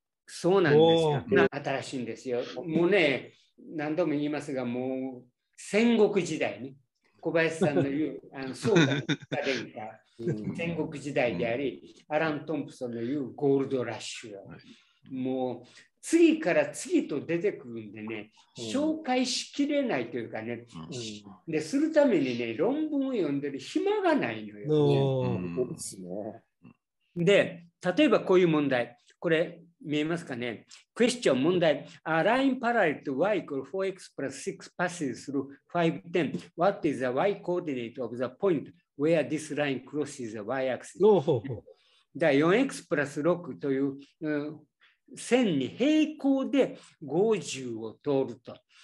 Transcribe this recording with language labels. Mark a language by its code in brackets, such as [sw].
[ja] そうなんですよ、新しいんですよ。もうね、何度も言いますが、もう戦国時代に、小林さんの言う、宋が出た戦国時代であり、アラン・トンプソンの言うゴールドラッシュ、はい、もう次から次と出てくるんでね、紹介しきれないというかね、うん、でするためにね、論文を読んでる暇がないのよ、ね、うん、で例えばこういう問題、これ見えますかね、クエスチョン、問題、 [en] A line parallel to y equal 4x plus 6 passes through 5, 10. What is the y coordinate of the point where this line crosses the y axis? No. 4x plus 6 [ja] という、線に平行で50を通ると。